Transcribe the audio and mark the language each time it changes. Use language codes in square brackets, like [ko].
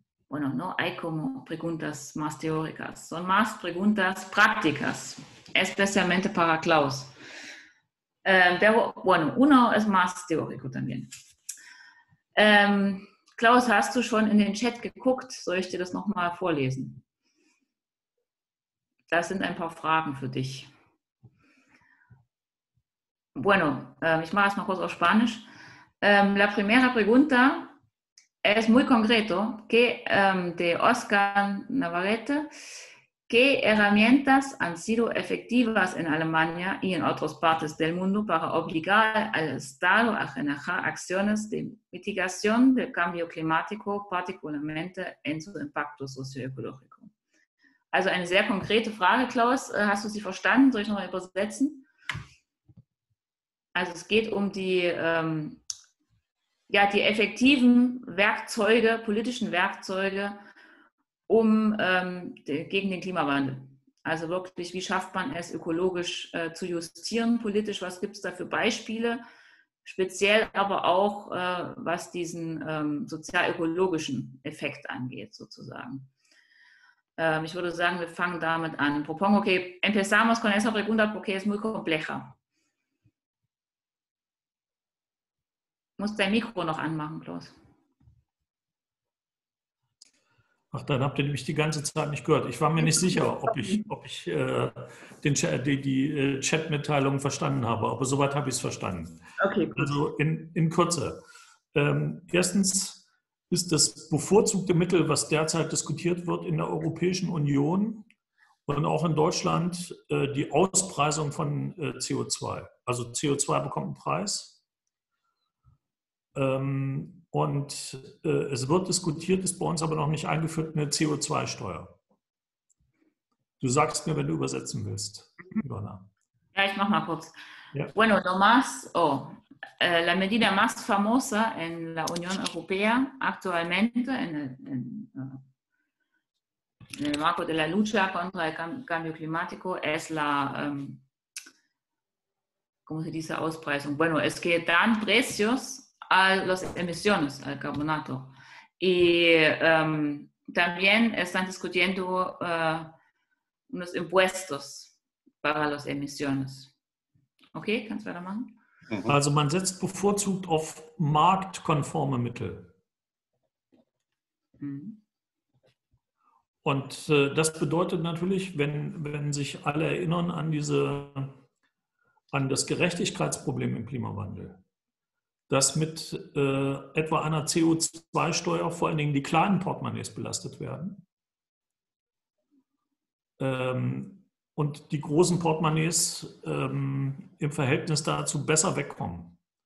[es] Bueno, no hay como preguntas más teóricas, son más preguntas prácticas, especialmente para Klaus. Pero bueno, uno es más teórico también. [de] Klaus, hast du schon in den Chat geguckt? Soll ich dir das nochmal vorlesen? Das sind ein paar Fragen für dich. Bueno, ich mache es mal kurz auf Spanisch. [es] La primera pregunta... Es muy concreto, que de Oscar Navarrete, ¿qué herramientas han sido efectivas en Alemania y en otras partes del mundo para obligar al Estado a generar acciones de mitigación del cambio climático, particularmente en su impacto socioecológico? [de] Also eine sehr konkrete Frage, Klaus. Hast du sie verstanden? Soll ich nochmal übersetzen? Also es geht um die... die effektiven Werkzeuge, politischen Werkzeuge, um gegen den Klimawandel. Also wirklich, wie schafft man es, ökologisch zu justieren, politisch, was gibt es da für Beispiele? Speziell aber auch, was diesen sozial-ökologischen Effekt angeht, sozusagen. Ich würde sagen, wir fangen damit an. [es] Propongo que empezamos con esa pregunta porque es muy compleja. [de] Muss dein Mikro noch anmachen, Klaus. Ach, dann habt ihr nämlich die ganze Zeit nicht gehört. Ich war mir nicht sicher, ob ich die Chat-Mitteilung verstanden habe, aber soweit habe ich es verstanden. Okay. Also in Kürze. Erstens ist das bevorzugte Mittel, was derzeit diskutiert wird in der Europäischen Union und auch in Deutschland, die Auspreisung von CO2. Also CO2 bekommt einen Preis. Und es wird diskutiert, ist bei uns aber noch nicht eingeführt, eine CO2-Steuer. Du sagst mir, wenn du übersetzen willst, Ivana. Ja, ich mach mal kurz. Ja. [es] Bueno, lo más, la medida más famosa en la Unión Europea actualmente en el marco de la lucha contra el cambio climático es la, ¿cómo se dice? Auspreisung. Bueno, es que dan precios a las emisiones, al carbonato. Y también están discutiendo unos impuestos para las emisiones. [de] Okay, kannst du weitermachen? Also man setzt bevorzugt auf marktkonforme Mittel. Mhm. Und das bedeutet natürlich, wenn sich alle erinnern an das Gerechtigkeitsproblem im Klimawandel, dass mit etwa einer CO2-Steuer vor allen Dingen die kleinen Portemonnaies belastet werden und die großen Portemonnaies im Verhältnis dazu besser wegkommen.